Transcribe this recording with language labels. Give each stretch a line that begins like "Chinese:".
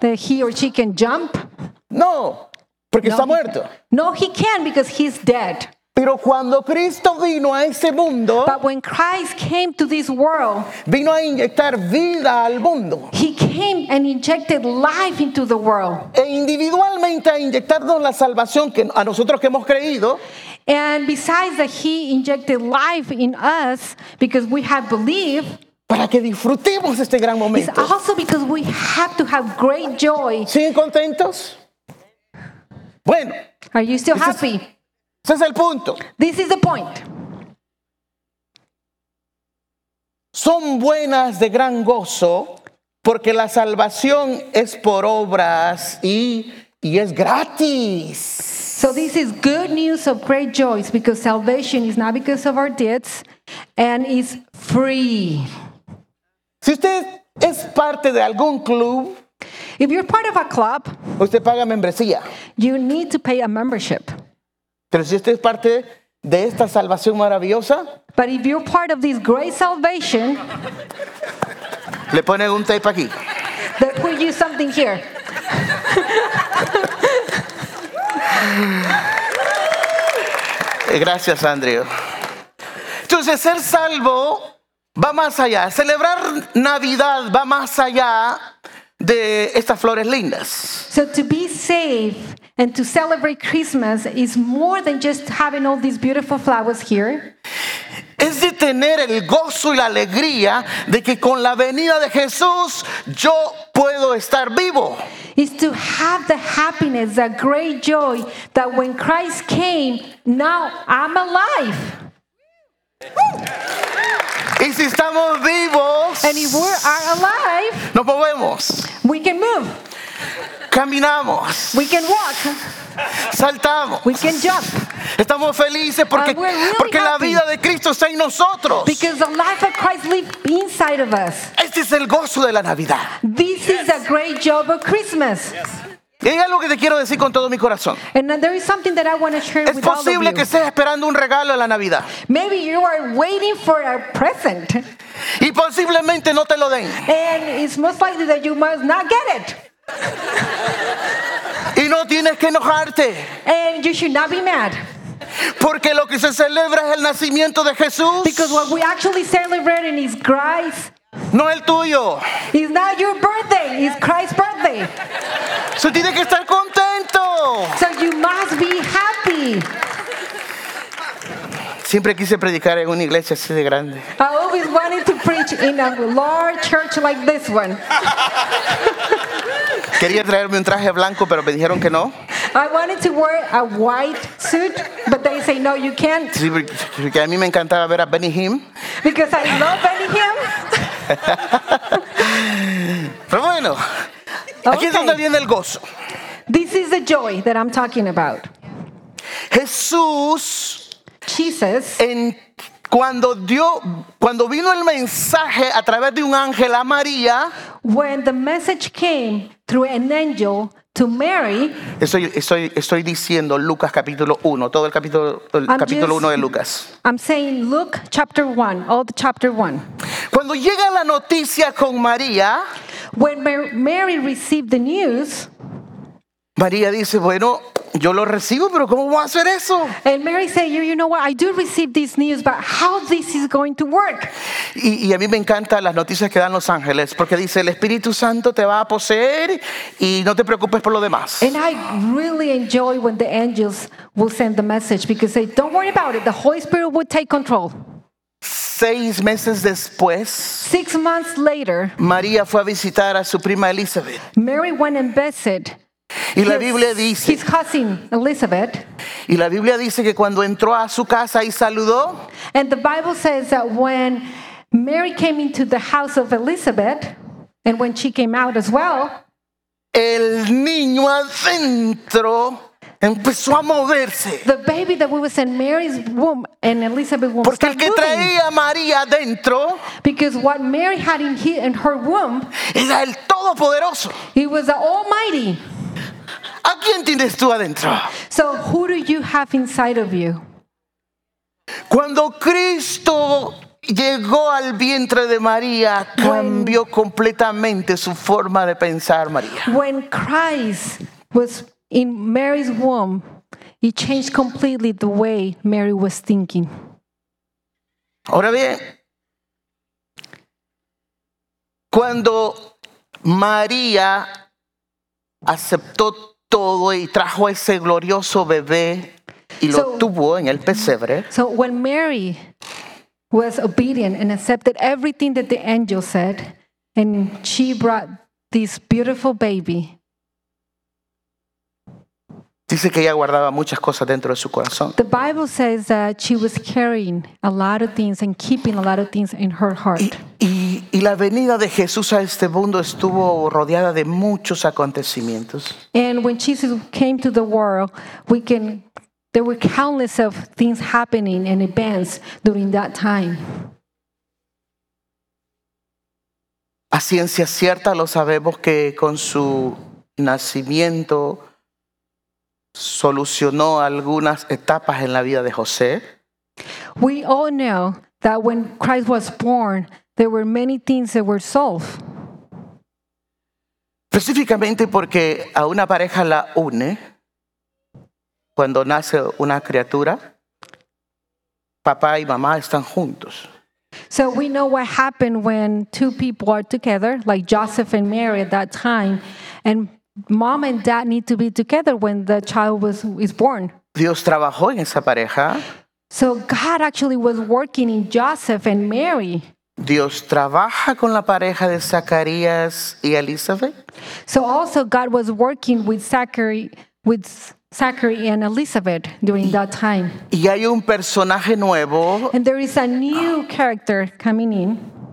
English: That he or she can jump.
Spanish: No, porque está muerto.
English: No, he can because he's dead.
Spanish: Pero cuando Cristo vino a ese mundo,
English: but when Christ came to this world,
Spanish: vino a inyectar vida al mundo.
English: He came and injected life into the world.
Spanish: E individualmente a inyectarnos la salvación que a nosotros que hemos creído.
English: And besides that, he injected life in us because we have believed.
Spanish: Para que disfrutemos este gran momento.
English: It's also because we have to have great joy.
Spanish: ¿Siguen contentos? Bueno.
English: Are you still happy?
Spanish: Ese es el punto.
English: This is the point.
Spanish: Son buenas de gran gozo porque la salvación es por obras y es gratis.
English: So this is good news of great joy because salvation is not because of our deeds and is free.
Spanish: Si usted es parte de algún club,
English: if you're part of a club,
Spanish: usted paga membresía.
English: You need to pay a membership.
Spanish: Pero si usted es parte de esta salvación maravillosa,
English: but if you're part of this great salvation,
Spanish: le ponen un tape aquí.
English: They put you something here.
Spanish: Gracias, Andrew. Entonces, ser salvo va más allá. Celebrar Navidad va más allá de estas flores lindas.
English: So to be saved and to celebrate Christmas is more than just having all these beautiful flowers here.
Spanish: Es de tener el gozo y la alegría de que con la venida de Jesús yo puedo estar vivo.
English: Is to have the happiness, the great joy that when Christ came, now I'm alive.
Spanish: Y si estamos vivos,
English: and if we are alive,
Spanish: nos movemos.
English: We can move.
Spanish: Caminamos.
English: We can walk.
Spanish: Saltamos.
English: We can jump.
Spanish: Estamos felices porque,
English: really
Spanish: porque la vida de Cristo está en nosotros.
English: Because the life of Christ lives inside of us.
Spanish: Este es el gozo de la Navidad.
English: This yes. is the great joy of Christmas. Yes.
Spanish: Y hay algo que te quiero decir con todo mi corazón.
English: And there is something that I want to share with all of you.
Spanish: Es posible que estés esperando un regalo en la Navidad.
English: Maybe you are waiting for a present.
Spanish: Y posiblemente no te lo den.
English: And it's most likely that you must not get it.
Spanish: Y no tienes que enojarte.
English: And you should not be mad.
Spanish: Porque lo que se celebra es el nacimiento de Jesús.
English: Because what we actually celebrate is Christ.
Spanish: No el tuyo.
English: It's not your birthday. It's Christ's birthday. So
Spanish: tienes que estar contento.
English: So you must be happy.
Spanish: Siempre quise predicar en una iglesia así de grande.
English: I always wanted to preach in a large church like this one.
Spanish: Quería traerme un traje blanco, pero me dijeron que no.
English: I wanted to wear a white suit, but they say no, you can't.
Spanish: Sí, porque a mí me encantaba ver a Benny Hinn.
English: Because I love Benny
Spanish: Hinn. Pero bueno, okay. Aquí es donde viene el gozo.
English: This is the joy that I'm talking about.
Spanish: Jesús.
English: Jesus.
Spanish: En cuando vino el mensaje a través de un ángel a María.
English: When the message came through an angel to Mary.
Spanish: Estoy diciendo Lucas capítulo 1, todo el capítulo 1 de Lucas.
English: I'm saying Luke chapter 1, all the chapter 1.
Spanish: Cuando llega la noticia con María.
English: When Mary received the news.
Spanish: María dice, bueno, yo lo recibo, pero ¿cómo voy a hacer eso?
English: And Mary said, you know what, I do receive this news, but how this is going to work?
Spanish: Y a mí me encantan las noticias que dan los ángeles, porque dice, el Espíritu Santo te va a poseer y no te preocupes por lo demás.
English: And I really enjoy when the angels will send the message, because they say, don't worry about it, the Holy Spirit will take control.
Spanish: 6 meses después,
English: 6 months later,
Spanish: María fue a visitar a su prima Elizabeth.
English: Mary went and visited.
Spanish: Y la Biblia dice,
English: his cousin Elizabeth.
Spanish: Y la Biblia dice que cuando entró a su casa y saludó.
English: And the Bible says that when Mary came into the house of Elizabeth, and when she came out as well,
Spanish: el niño adentro empezó a moverse.
English: The baby that was in Mary's womb and Elizabeth's womb.
Spanish: Porque el que traía María adentro.
English: Because what Mary had in her womb.
Spanish: Era el Todopoderoso.
English: He was the Almighty.
Spanish: ¿A quién tienes tú adentro?
English: So who do you have inside of you?
Spanish: Cuando Cristo llegó al vientre de María, cambió completamente su forma de pensar, María.
English: When Christ was in Mary's womb, It changed completely the way Mary was thinking.
Spanish: Ahora bien, cuando María aceptó todo y trajo ese glorioso bebé y lo tuvo en el pesebre.
English: So when Mary was obedient and accepted everything that the angel said, and she brought this beautiful baby.
Spanish: Dice que ella guardaba muchas cosas dentro de su corazón.
English: The Bible says that she was carrying a lot of things and keeping a lot of things in her heart.
Spanish: Y la venida de Jesús a este mundo estuvo rodeada de muchos acontecimientos.
English: And when Jesus came to the world, there were countless of things happening and events during that time.
Spanish: A ciencia cierta lo sabemos que con su nacimiento solucionó algunas etapas en la vida de José.
English: We all know that when Christ was born, there were many things that were solved.
Spanish: Específicamente porque a una pareja la une cuando nace una criatura, papá y mamá están juntos.
English: So we know what happened when two people are together, like Joseph and Mary at that time, and mom and dad need to be together when the child is born.
Spanish: Dios trabajó en esa pareja.
English: So God actually was working in Joseph and Mary.
Spanish: Dios trabaja con la pareja de Zacarías y Elizabeth.
English: So also God was working with Zachary and Elizabeth during that time.
Spanish: Y hay un personaje nuevo.
English: And there is a new character coming in.